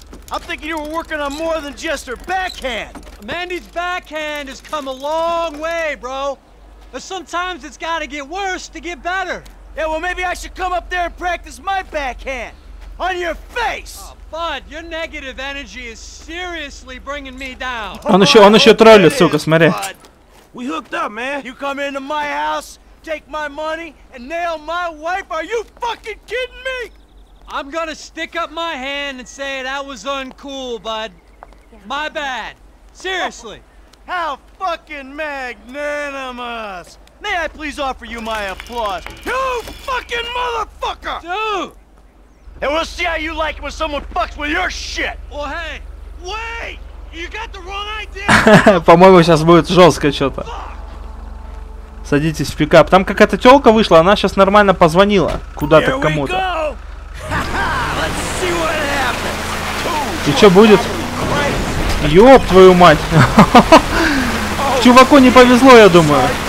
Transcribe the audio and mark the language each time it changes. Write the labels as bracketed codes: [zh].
[en] I'm thinking you were working on more than just her backhand. Mandy's backhand has come a long way, bro. But sometimes it's gotta get worse to get better. Yeah, well, maybe I should come up there and practice my backhand. On your face! Oh, bud, your negative energy is seriously bringing me down. [ru] Он еще троллит, сука, смотри. [en] We hooked up, man. You come into my house, take my money, and nail my wife? Are you fucking kidding me? I'm gonna stick up my hand and say that was uncool, bud. My bad. Seriously. How fucking magnanimous. May I please offer you my applause? You fucking motherfucker! Dude! And we'll see how you like it when someone fucks with your shit! Well, hey, wait! You got the wrong idea! [ru] По-моему, сейчас будет жестко что-то. Садитесь в пикап. Там какая-то тёлка вышла, она сейчас нормально позвонила. Куда-то к кому-то. И что будет? Ёб твою мать! Чуваку не повезло, я думаю.